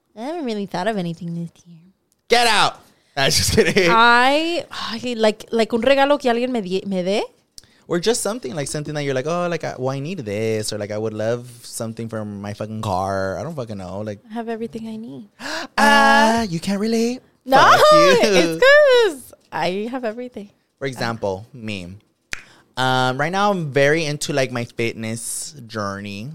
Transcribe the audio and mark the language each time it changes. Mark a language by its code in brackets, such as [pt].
[en] I haven't really thought of anything this year. Get out. I was just kidding. I like [es] un regalo que alguien me dé. [en] Or just something, like something that you're like, oh, like, I need this. Or like, I would love something for my fucking car. I don't fucking know. Like, have everything I need. You can't relate. No, it's because I have everything. For example, me. Right now, I'm very into, like, my fitness journey.